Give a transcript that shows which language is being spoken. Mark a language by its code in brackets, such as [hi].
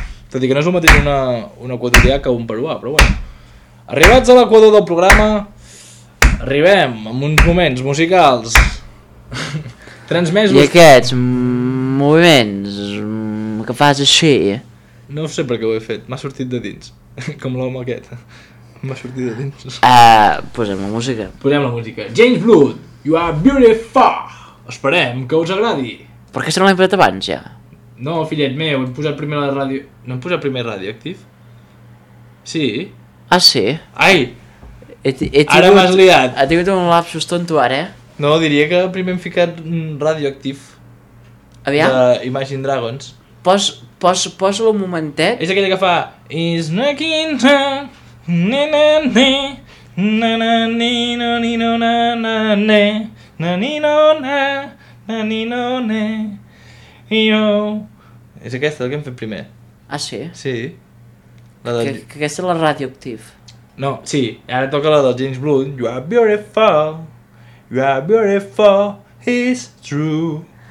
[ca] Tot i que no és el mateix un equatorià que un peruà, però bueno. Arribats a l'Equador del programa, arribem amb uns moments musicals. Transmesos... I aquests moviments que fas així... No sé per què ho he fet, m'ha sortit de dins, com l'home aquest... M'ha sortit de dins. Posem la música. [en] James Blood, you are beautiful. [ca] Esperem que us agradi. Per què se no l'hem posat abans, ja? No, fillet meu, hem posat primer la ràdio... No hem posat primer Radioactive? Sí. Ah, sí? Ai! He tingut, ara m'has liat. Ha tingut un lapsus tonto, ara. No, diria que primer hem ficat Radioactive. Aviam. De Imagine Dragons. Posa-lo un momentet. És aquella que fa... Is na quinta, ni na ni, na na ni no ni no na na ne, na ni no na, na ni no ne, io. És aquesta, la que hem fet primer. Ah, sí? Sí. La del... que aquesta és la Radioactive. No, sí, ara toca la del James Blunt. [en] You are beautiful, you are beautiful, it's true.